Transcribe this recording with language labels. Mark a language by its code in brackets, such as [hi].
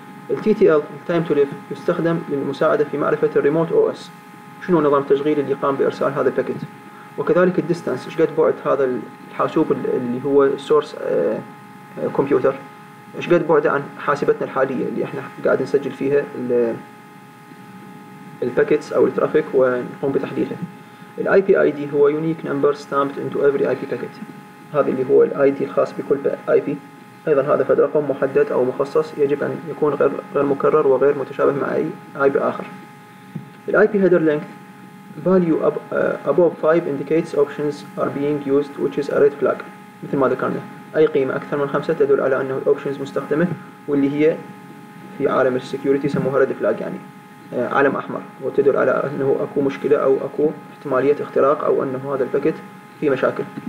[ar] الـ TTL Time to Live يستخدم للمساعدة في معرفة الـ Remote OS شنو نظام التشغيل اللي قام بإرسال هذا الباكيت، وكذلك الـ Distance إيش قد بعد هذا الحاسوب اللي هو Source Computer إيش قد بعده عن حاسبتنا الحالية اللي إحنا قاعد نسجل فيها الباكيتس أو الترافيك ونقوم بتحديثها. الـ IP ID هو [en] Unique Number Stamped into Every IP Packet، [ar] هذا اللي هو الـ ID الخاص بكل IP، أيضا هذا فد رقم محدد أو مخصص يجب أن يكون غير مكرر وغير متشابه مع أي IP آخر. [en] الـ IP header length value above 5 indicates options are being used which is a red flag. [ar] مثل ما ذكرنا أي قيمة أكثر من 5 تدل على أنه options مستخدمة واللي هي في عالم السكيورتي يسموها red flag يعني عالم أحمر وتدل على أنه أكو مشكلة أو أكو احتمالية اختراق أو أنه هذا الباكت في مشاكل.